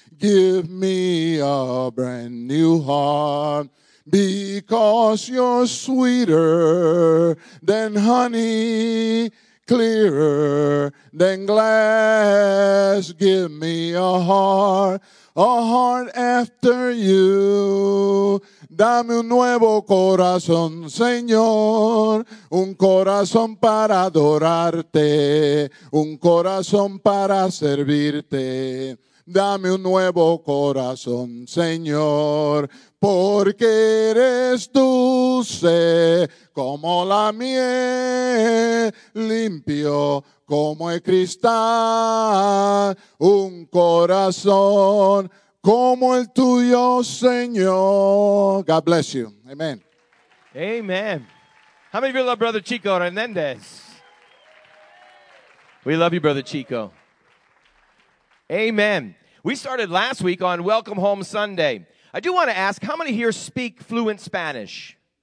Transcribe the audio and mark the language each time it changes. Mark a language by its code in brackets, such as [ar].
[en] Give me a brand new heart. Because you're sweeter than honey, clearer than glass. Give me a heart after you. [es] Dame un nuevo corazón, Señor, un corazón para adorarte, un corazón para servirte. Dame un nuevo corazón, Señor, porque eres dulce como la miel, limpio como el cristal, un corazón como el tuyo, Señor. [en] God bless you. Amen. Amen. How many of you love Brother Chico Hernandez? We love you, Brother Chico. Amen. We started last week on Welcome Home Sunday. I do want to ask, how many here speak fluent Spanish?